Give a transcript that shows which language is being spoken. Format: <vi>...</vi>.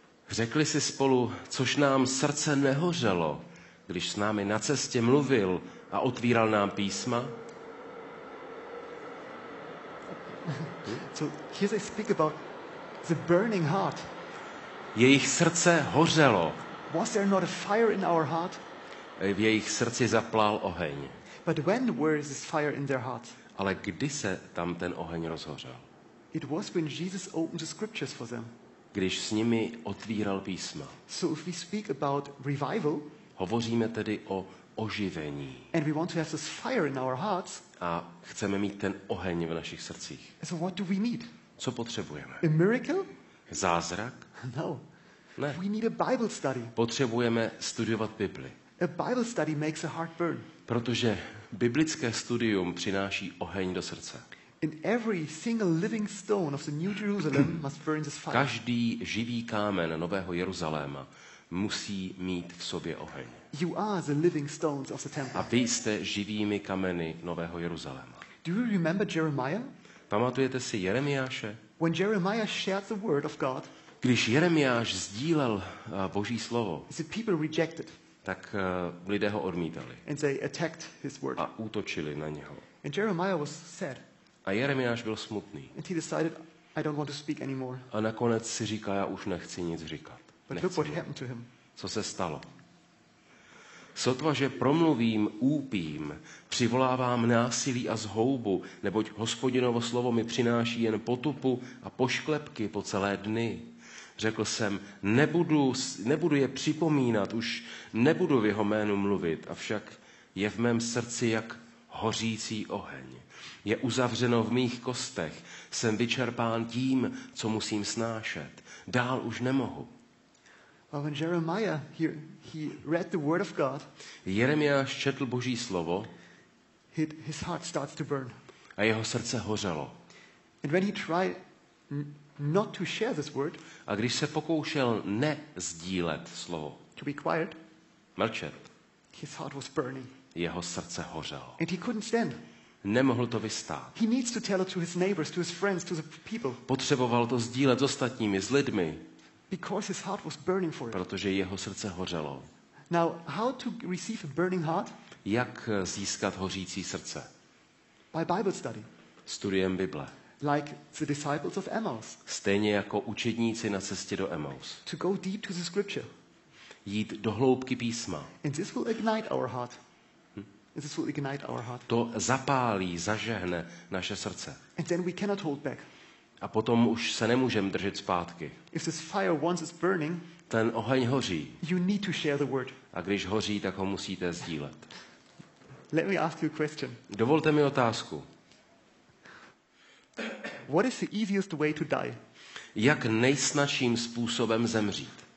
<cs>řekli si spolu, což nám srdce nehořelo, když s námi na cestě mluvil a otvíral nám písma.</cs> <en>So here they speak about the burning heart.</en> <cs>Jejich srdce hořelo.</cs> <en>Was there not a fire in our heart?</en> <cs>V jejich srdci zaplál oheň.</cs> <en>But when was this fire in their heart?</en> <cs>Ale kdy se tam ten oheň rozhořel?</cs> <en>It was when Jesus opened the scriptures for them.</en> <cs>Když s nimi otvíral písma.</cs> <en>So if we speak about revival,</en> <cs>hovoříme tedy o oživení.</cs> <en>And we want to have this fire in our hearts.</en> <cs>A chceme mít ten oheň v našich srdcích.</cs> <en>So what do we need?</en> <cs>Co potřebujeme?</cs> <en>A miracle?</en> <cs>Zázrak?</cs> <en>No.</en> <cs>Ne.</cs> <en>We need a Bible study.</en> <cs>Potřebujeme studovat Bibli.</cs> <en>A Bible study makes a heart burn.</en> <cs>Protože biblické studium přináší oheň do srdce.</cs> <en>In every single living stone of the New Jerusalem must burn this fire.</en> <cs>Každý živý kámen nového Jeruzaléma musí mít v sobě oheň.</cs> <en>You are the living stones of the temple.</en> <cs>A vy jste živými kameny nového Jeruzaléma.</cs> <en>Do you remember Jeremiah?</en> <cs>Pamatujete si Jeremiáše?</cs> <en>When Jeremiah shared the word of God,</en> <cs>když Jeremiáš sdílel Boží slovo,</cs> <en>the people rejected.</en> <cs>Tak lidé ho odmítali.</cs> <en>And they attacked his word.</en> <cs>A útočili na něho.</cs> <en>And Jeremiah was sad.</en> <cs>A Jeremiáš byl smutný.</cs> <en>And he decided, I don't want to speak anymore.</en> <cs>A nakonec si říká, já už nechci nic říkat.</cs> <en>But look what happened to him.</en> <cs>Co se stalo? Sotva, že promluvím, úpím, přivolávám násilí a zhoubu, neboť Hospodinovo slovo mi přináší jen potupu a pošklepky po celé dny. Řekl jsem, nebudu je připomínat, už nebudu v jeho jménu mluvit, avšak je v mém srdci jak hořící oheň. Je uzavřeno v mých kostech, jsem vyčerpán tím, co musím snášet. Dál už nemohu.</cs> <en>Well, when Jeremiah he read the word of God.</en> <cs>Jeremiáš četl Boží slovo.</cs> <en>His heart starts to burn.</en> <cs>A jeho srdce hořelo.</cs> <en>And when he tried not to share this word.</en> <cs>A když se pokoušel nezdílet slovo.</cs> <en>To be quiet.</en> <cs>Mlčet.</cs> <en>His heart was burning.</en> <cs>Jeho srdce hořelo.</cs> <en>And he couldn't stand.</en> <cs>Nemohl to vystát.</cs> <en>He needs to tell it to his neighbors, to his friends, to the people.</en> <cs>Potřeboval to sdílet s ostatními, s lidmi.</cs> <en>Because his heart was burning for it.</en> <cs>Protože jeho srdce hořelo.</cs> <en>Now, how to receive a burning heart?</en> <cs>Jak získat hořící srdce?</cs> <en>By Bible study.</en> <cs>Studiem Bible.</cs> <en>Like the disciples of Emmaus.</en> <cs>Stejně jako učedníci na cestě do Emmaus.</cs> <en>To go deep to the scripture.</en> <cs>Jít do hloubky písma.</cs> <en>And this will ignite our heart. This will ignite our heart.</en> <cs>To zapálí, zažehne naše srdce.</cs> <en>And then we cannot hold back.</en> <cs>A potom už se nemůžeme držet zpátky.</cs> <en>If this fire once is burning,</en> <cs>ten oheň hoří.</cs> <en>You need to share the word.</en> <cs>A když hoří, tak ho musíte sdílet.</cs> <en>Let me ask you a question.</en> <cs>Dovolte mi otázku.</cs> <en>What is the easiest way to die?</en> <cs>Jak nejsnažším způsobem zemřít?</cs>